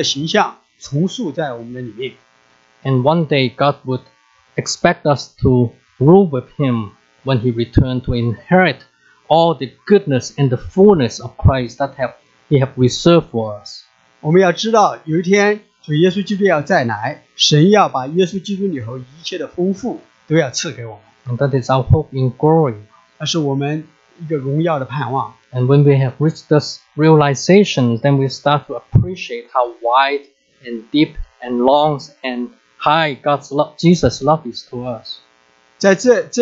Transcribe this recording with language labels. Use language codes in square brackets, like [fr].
[zh] 但我们要记得，我们是神所拯救的，成为神家里的人，有神儿子的生命在我们的里面，可以使神的形象重塑在我们的里面。 [en] And one day God would expect us to rule with Him when He returned to inherit all the goodness and the fullness of Christ that He have reserved for us. [zh] 我们要知道，有一天。主耶稣基督要再来，神要把耶稣基督里头一切的丰富都要赐给我们。 [en] That is our hope in glory. [zh] 那是我们一个荣耀的盼望。 [en] When we have reached this realization, then we start to appreciate how wide and deep and long and high God's love, Jesus' love is to us.